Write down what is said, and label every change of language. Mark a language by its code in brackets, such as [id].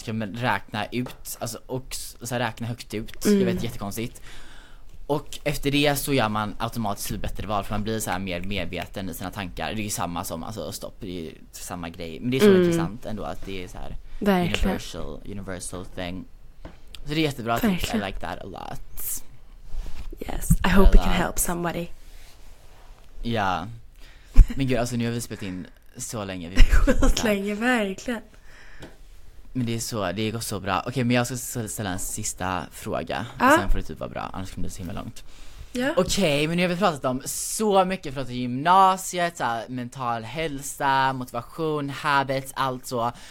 [sv] Ska man räkna ut, alltså, och så här, räkna högt ut. Jag vet, jättekonstigt. Och efter det så gör man automatiskt ett bättre val, för man blir så här mer medveten i sina tankar. Det är ju samma som, alltså, stopp, det är samma grej. Men det är så intressant ändå att det är så här [en] universal thing. [sv] Så det är jättebra. [en] I like that a lot. Yes, I hope it can help somebody. [sv] Ja. Men gud, alltså, nu har vi spelat in så länge. Sjukt länge, verkligen. Men det är så, det går så bra. Okej, men jag ska ställa en sista fråga. Och sen får det typ vara bra, annars kommer det så himla långt. [en] Yeah. [sv] Okej, men nu har vi pratat om så mycket, pratat om gymnasiet, så här, mental hälsa, motivation, habits, allt så.